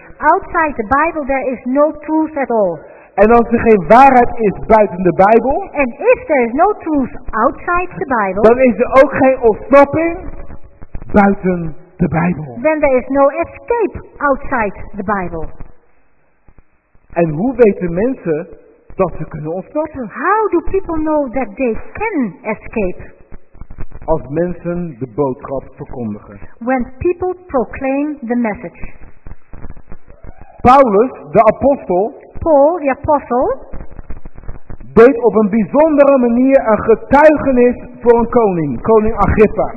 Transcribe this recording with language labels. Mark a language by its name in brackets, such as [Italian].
[English] Outside the Bible there is no truth at all. [Dutch] En als er geen waarheid is buiten de Bijbel, [English] and if there is no truth outside the Bible, [Dutch] dan is er ook geen ontsnapping buiten de Bijbel. [English] Then there is no escape outside the Bible. [Dutch] En hoe weten mensen dat ze kunnen ontsnappen? [English] How do people know that they can escape? [Dutch] Als mensen de boodschap verkondigen. [English] When people proclaim the message. [Dutch] Paulus, de apostel, [English] Paul, the apostle, [Dutch] deed op een bijzondere manier een getuigenis voor een koning, koning Agrippa.